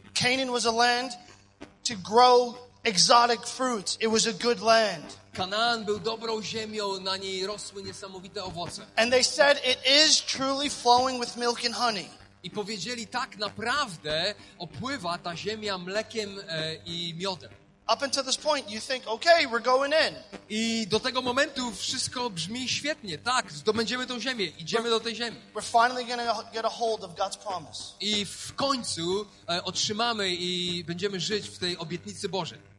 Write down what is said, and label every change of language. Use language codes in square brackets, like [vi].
[en] Canaan was a land to grow exotic fruits. It was a good land. [pl] Kanaan był dobrą ziemią, na niej rosły niesamowite owoce. [en] And they said it is truly flowing with milk and honey. [pl] I powiedzieli tak, naprawdę opływa ta ziemia mlekiem i miodem. [en] Up until this point you think, okay, we're going in. [pl] I do tego momentu wszystko brzmi świetnie. Tak, zdobędziemy tą ziemię, idziemy do tej ziemi. [en] We're finally going to get a hold of God's promise. [pl] I w końcu otrzymamy i będziemy żyć w tej obietnicy Bożej.